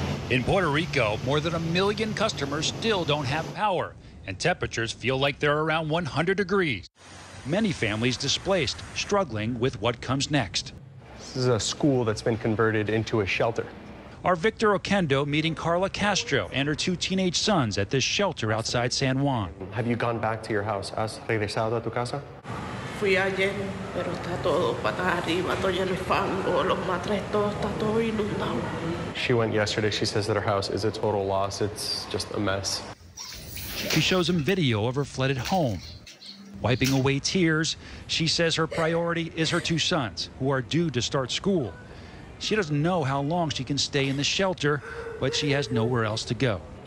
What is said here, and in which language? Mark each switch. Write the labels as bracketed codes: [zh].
[en] In Puerto Rico, more than a million customers still don't have power, and temperatures feel like they're around 100 degrees. Many families displaced, struggling with what comes next. This is a school that's been converted into a shelter. Our Victor Oquendo meeting Carla Castro and her two teenage sons at this shelter outside San Juan. Have you gone back to your house? [es] ¿Has regresado a tu casa? Fui ayer, pero está todo para arriba, todo lleno de fango, los matres, todo está todo inundado. [en] She went yesterday. She says that her house is a total loss. It's just a mess. She shows him video of her flooded home. Wiping away tears, she says her priority is her two sons, who are due to start school. She doesn't know how long she can stay in the shelter, but she has nowhere else to go.